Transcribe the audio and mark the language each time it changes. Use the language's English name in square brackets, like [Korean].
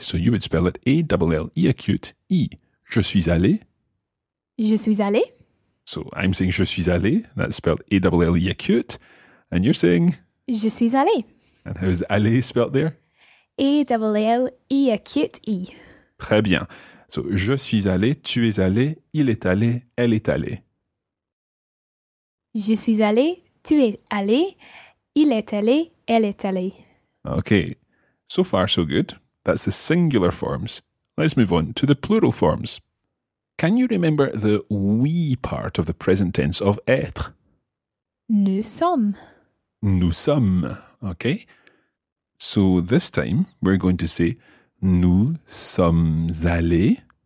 [English] So you would spell it A-L-L-E acute E. [French] Je suis allé. Je suis allé. [English] So I'm saying [French] je suis allé, [English] that's spelled A-L-L-E acute, and you're saying [French] je suis allé. [English] And how's allé spelled there? A-L-L-E acute E. [French] Très bien. So je suis allé, tu es allé, il est allé, elle est allée. Je suis allé, tu es allé, il est allé, elle est allée. [English] Okay, so far so good. That's the singular forms. Let's move on to the plural forms. Can you remember the we part of the present tense of être? [French] Nous sommes. Nous sommes, [English] okay? So this time we're going to say [French] nous sommes allés.